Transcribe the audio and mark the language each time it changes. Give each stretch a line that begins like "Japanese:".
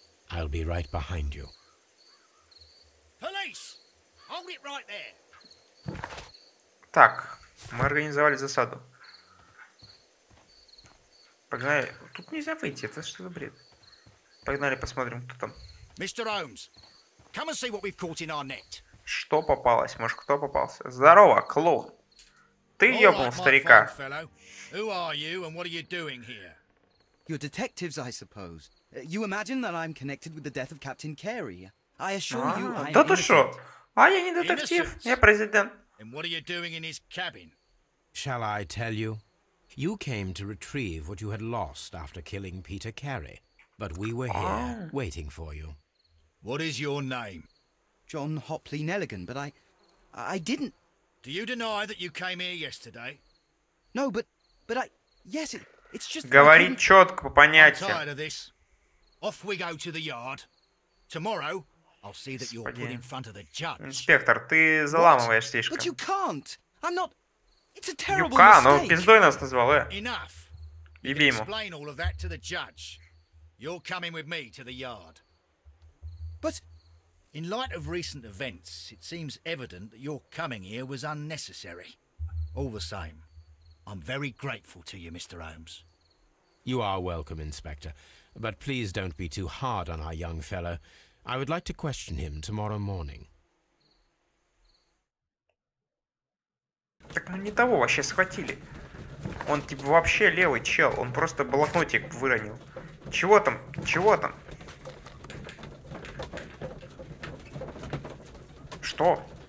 English: I'll be right behind you. Police! Hold it right there.
Russian: Так, мы организовали засаду. Погнали. Тут нельзя выйти, это что за бред? Погнали, посмотрим, кто там.
English: Mr. Holmes, come and see what we've caught in our net.
Russian: Что попалось? Может, кто попался? Здорово, Клоун. Ты ёбнул старика.
English: Who are you and what are you doing here? You're detectives, I suppose. You imagine that I'm connected with the death of Captain Carey. I assure you, I am innocent.
Russian: Да ты что? А я не детектив, я президент.
English: And what are you doing in his cabin? Shall I tell you? You came to retrieve what you had lost after killing Peter Carey. But we were here, waiting for you. What is your name? John Hopley Nelligan, but I didn't... Do you deny that you came here yesterday? No, but I... Yes, it's just...
Russian: Говори четко, по понятиям.
English: I'm tired of this. Off we go to the yard. Tomorrow, I'll see that you're put in front of the judge.
Russian: Инспектор, ты заламываешь слишком.
English: But you can't. I'm not. It's a terrible mistake.
Russian: Ну, пиздой нас назвал, э.
English: Enough.
Russian: Еби ему.
English: Explain all of that to the judge. You're coming with me to the yard. But in light of recent events, it seems evident that your coming here was unnecessary. All the same, I'm very grateful to you, Mr. Holmes. You are welcome, Inspector. But please don't be too hard on our young fellow. I would like to question him tomorrow morning.
Russian: Так мы не того вообще схватили. Он типа вообще левый чел. Он просто блокнотик выронил. Чего там? Чего там? Что?